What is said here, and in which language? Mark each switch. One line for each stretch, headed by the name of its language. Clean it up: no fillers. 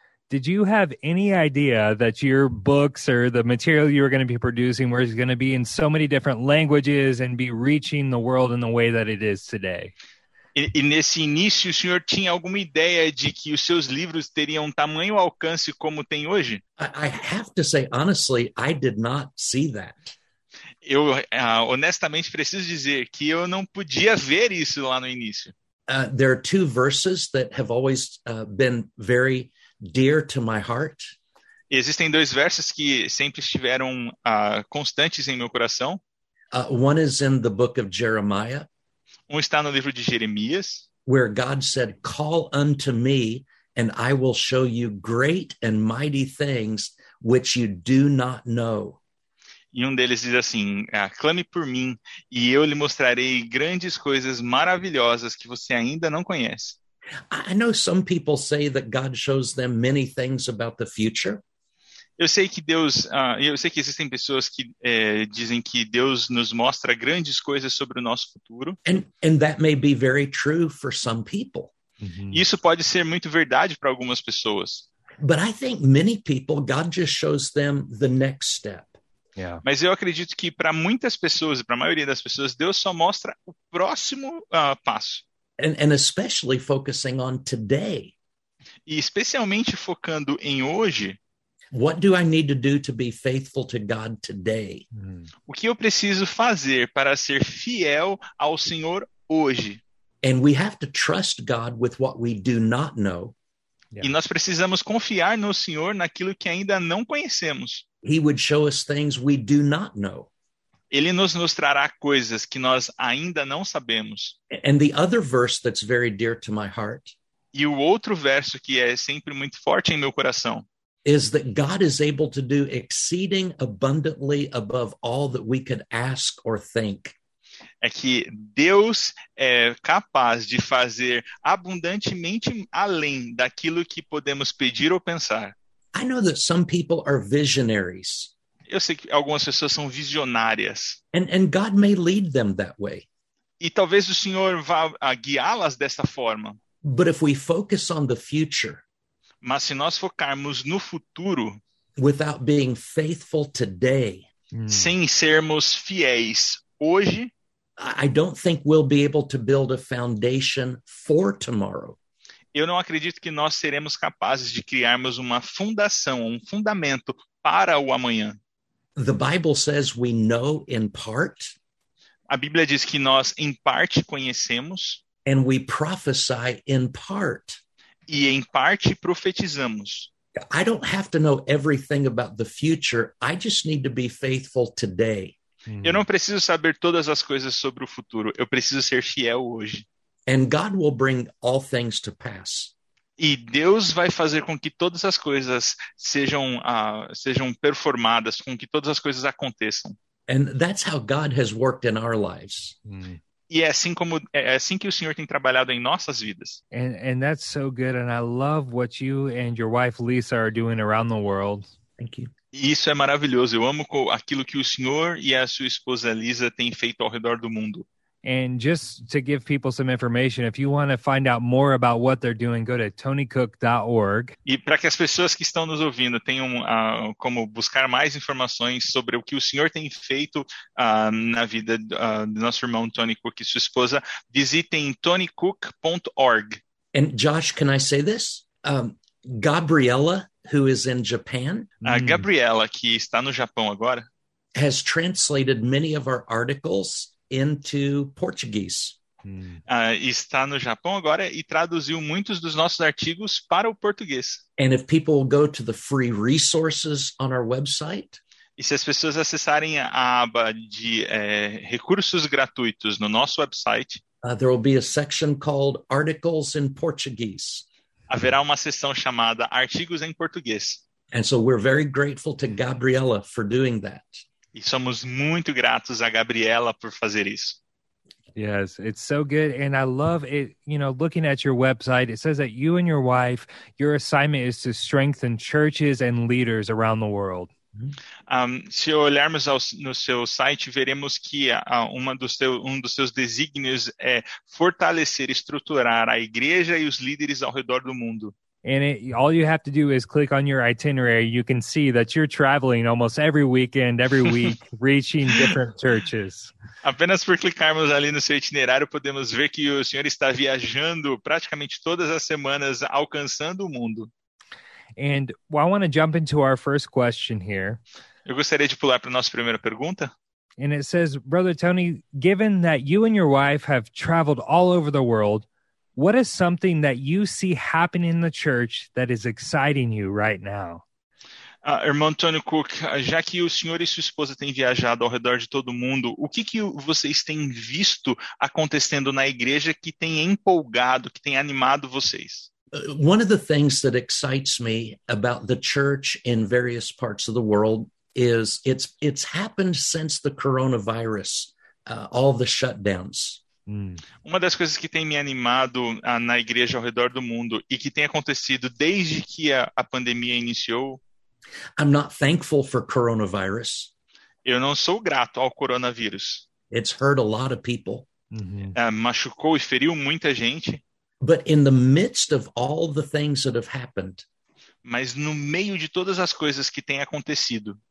English: Did you have any idea that your books or the material you were going to be producing was going to be in so many different languages and be reaching the world in the way that it is today?
Portuguese: E nesse início, o senhor tinha alguma ideia de que os seus livros teriam tamanho alcance como tem hoje?
English: I have to say, honestly, I did not see that.
Portuguese: Eu honestamente preciso dizer que eu não podia ver isso lá no início.
English: There are two verses that have always been very dear to my heart.
Portuguese: Existem dois versos que sempre estiveram constantes em meu coração.
English: One is in the book of Jeremiah.
Portuguese: Está no livro de Jeremias,
English: where God said, call unto me and I will show you great and mighty things which you do not know.
Portuguese: E deles diz assim, clame por mim e eu lhe mostrarei grandes coisas maravilhosas que você ainda não conhece.
English: I know some people say that God shows them many things about the future.
Portuguese: Eu sei que Deus, eu sei que existem pessoas que dizem que Deus nos mostra grandes coisas sobre o nosso futuro.
English: And that may be very true for some people. Uhum.
Portuguese: Isso pode ser muito verdade para algumas pessoas.
English: But I think many people, God just shows them the next step. Yeah.
Portuguese: Mas eu acredito que para muitas pessoas, para a maioria das pessoas, Deus só mostra o próximo passo.
English: And especially focusing on today.
Portuguese: E especialmente focando em hoje.
English: What do I need to do to be faithful to God today?
Portuguese: O que eu preciso fazer para ser fiel ao Senhor hoje?
English: And we have to trust God with what we do not know.
Portuguese: Yeah. E nós precisamos confiar no Senhor naquilo que ainda não conhecemos.
English: He would show us things we do not know.
Portuguese: Ele nos mostrará coisas que nós ainda não sabemos.
English: And the other verse that's very dear to my heart.
Portuguese: E o outro verso que é sempre muito forte em meu coração.
English: is that God is able to do exceeding abundantly above all that we could ask or think.
Portuguese: É que Deus é capaz de fazer abundantemente além daquilo que podemos pedir ou pensar.
English: I know that some people are visionaries.
Portuguese: Eu sei que algumas pessoas são visionárias.
English: And God may lead them that way.
Portuguese: E talvez o Senhor vá guiá-las dessa forma.
English: But if we focus on the future,
Portuguese: mas se nós focarmos no futuro,
English: without being faithful today,
Portuguese: sem sermos fiéis hoje,
English: I don't think we'll be able to build a foundation for tomorrow.
Portuguese: Eu não acredito que nós seremos capazes de criarmos uma fundação, um fundamento para o amanhã.
English: The Bible says we know in part.
Portuguese: A Bíblia diz que nós em parte conhecemos.
English: And we prophesy in part.
Portuguese: E em parte profetizamos.
English: I don't have to know everything about the future. I just need to be faithful today.
Portuguese: Eu não preciso saber todas as coisas sobre o futuro. Eu preciso ser fiel hoje.
English: And God will bring all things to pass.
Portuguese: E Deus vai fazer com que todas as coisas sejam performadas, com que todas as coisas aconteçam.
English: And that's how God has worked in our lives.
Portuguese: E é assim que o Senhor tem trabalhado em nossas vidas.
English: And that's so good. And I love what you and your wife Lisa are doing around the world. Thank you.
Portuguese: Isso é maravilhoso. Eu amo aquilo que o senhor e a sua esposa Lisa têm feito ao redor do mundo.
English: And just to give people some information, if you want to find out more about what they're doing, go to tonycook.org.
Portuguese: E para que as pessoas que estão nos ouvindo tenham como buscar mais informações sobre o que o senhor tem feito na vida do nosso irmão Tony Cook e sua esposa, visitem tonycook.org.
English: And Josh, can I say this? Gabriela, who is in Japan?
Portuguese: A Gabriela, que está no Japão agora,
English: has translated many of our articles into Portuguese.
Portuguese: Está no Japão agora e traduziu muitos dos nossos artigos para o português.
English: And if people go to the free resources on our website,
Portuguese: e se as pessoas acessarem a aba de recursos gratuitos no nosso website,
English: there will be a section called Articles in Portuguese.
Portuguese: Haverá uma sessão chamada Artigos em Português.
English: And so we're very grateful to Gabriela for doing that.
Portuguese: E somos muito gratos a Gabriela por fazer isso.
English: Yes, it's so good. And I love it, you know, looking at your website, it says that you and your wife, your assignment is to strengthen churches and leaders around the world.
Portuguese: Se olharmos no seu site, veremos que um dos seus desígnios é fortalecer, estruturar a igreja e os líderes ao redor do mundo.
English: And all you have to do is click on your itinerary, you can see that you're traveling almost every weekend, every week, reaching different churches.
Portuguese: Apenas por clicarmos ali no seu itinerário, podemos ver que o senhor está viajando praticamente todas as semanas, alcançando o mundo.
English: And well, I want to jump into our first question here.
Portuguese: Eu gostaria de pular para a nossa primeira pergunta.
English: And it says, Brother Tony, given that you and your wife have traveled all over the world, what is something that you see happening in the church that is exciting you right now?
Portuguese: Irmão Tony Cook, já que o senhor e sua esposa têm viajado ao redor de todo mundo, o que que vocês têm visto acontecendo na igreja que tem empolgado, que tem animado vocês?
English: One of the things that excites me about the church in various parts of the world is it's happened since the coronavirus, all the shutdowns.
Portuguese: Uma das coisas que tem me animado na igreja ao redor do mundo e que tem acontecido desde que a pandemia iniciou.
English: I'm not thankful for coronavirus.
Portuguese: Eu não sou grato ao coronavírus.
English: It's hurt a lot of people.
Portuguese: Machucou e feriu muita gente.
English: But in the midst of all the things that have happened,
Portuguese: mas no meio de todas as coisas que têm acontecido,